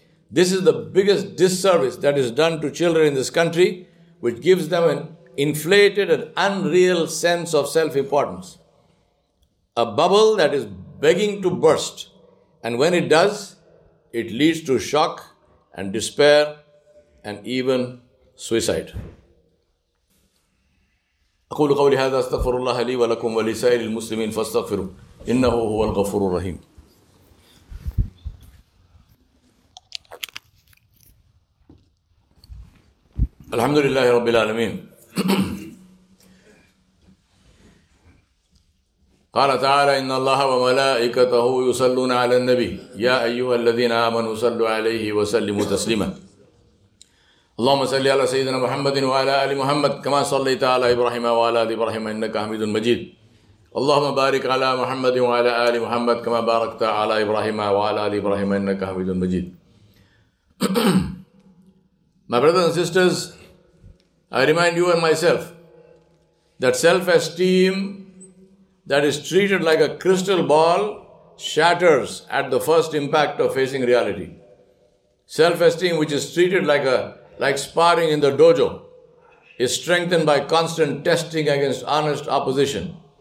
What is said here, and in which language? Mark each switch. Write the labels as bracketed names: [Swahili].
[English] This is the biggest disservice that is done to children in this country, which gives them an inflated and unreal sense of self-importance. A bubble that is begging to burst. And when it does, it leads to shock and despair and even suicide. [Arabic] أقول قولي هذا استغفر الله لي ولكم ولسائر المسلمين فاستغفروا إنه هو الغفور الرحيم. الحمد لله رب العالمين. قال تعالى إن الله وملائكته يصلون على النبي يا أيها الذين آمنوا صلوا عليه وسلموا تسليما. اللهم صل على سيدنا محمد وعلى آل محمد كما صليت على إبراهيم وعلى آل إبراهيم إنك حميد مجيد. اللهم بارك على محمد وعلى آل محمد كما باركت على إبراهيم وعلى آل إبراهيم إنك حميد مجيد. [English] My brothers and sisters, I remind you and myself that self-esteem that is treated like a crystal ball shatters at the first impact of facing reality. Self-esteem, which is treated like sparring in the dojo, is strengthened by constant testing against honest opposition.